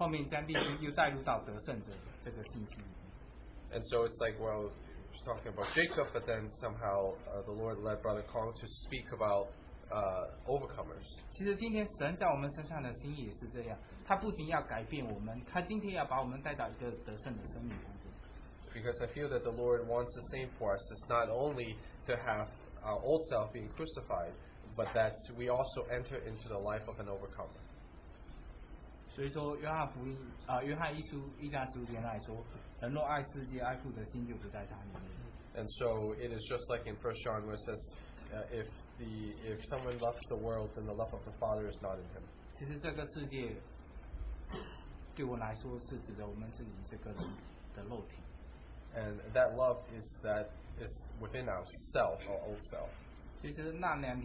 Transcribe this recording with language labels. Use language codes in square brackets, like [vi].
[zh] 为什么前面雅各的经历，后面将弟兄又带入到得胜者这个信息里面？ [en] And so it's like, well, we're talking about Jacob, but then somehow the Lord led Brother Kong to speak about overcomers. [zh] 其实今天神在我们身上的心意也是这样，他不仅要改变我们，他今天要把我们带到一个得胜的生命中。 [en] Because I feel that the Lord wants the same for us. It's not only to have our old self being crucified, but that we also enter into the life of an overcomer. [zh] 所以说约翰福音，约翰一书一章十五节来说，人若爱世界，爱父的心就不在他里面。 [en] And so it is just like in 1 John where it says, if someone loves the world, then the love of the Father is not in him. [zh] 其实这个世界对我来说是指着我们自己这个人的肉体。 [en] And that love is within ourself, our old self.